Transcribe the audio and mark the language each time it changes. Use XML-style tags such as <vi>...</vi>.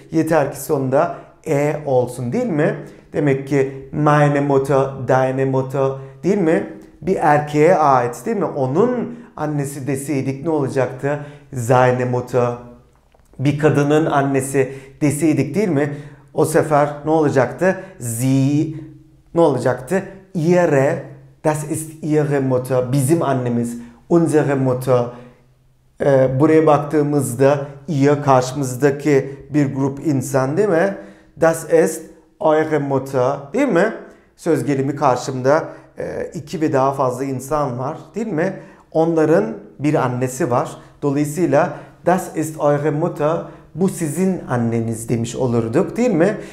<tr>Yeter ki sonunda e olsun, değil mi? Demek ki</tr> <de>meine Mutter, deine Mutter,</de> <tr>değil mi? Bir erkeğe ait, değil mi? Onun annesi deseydik ne olacaktı? Seine Mutter. Bir kadının annesi deseydik, değil mi? O sefer ne olacaktı? Sie ne olacaktı?</tr> <de>Ihre, das ist ihre Mutter,</de> <tr>bizim annemiz,</tr> <de>unsere Mutter.</de> <tr>Buraya baktığımızda ihr karşımızdaki bir grup insan değil mi?</tr> <de>Das ist eure Mutter,</de> <tr>değil mi? Söz gelimi karşımda iki ve daha fazla insan var, değil mi? Onların bir annesi var. Dolayısıyla</tr> <de>das ist eure Mutter,</de> <tr>bu sizin anneniz demiş olurduk, değil mi?</tr>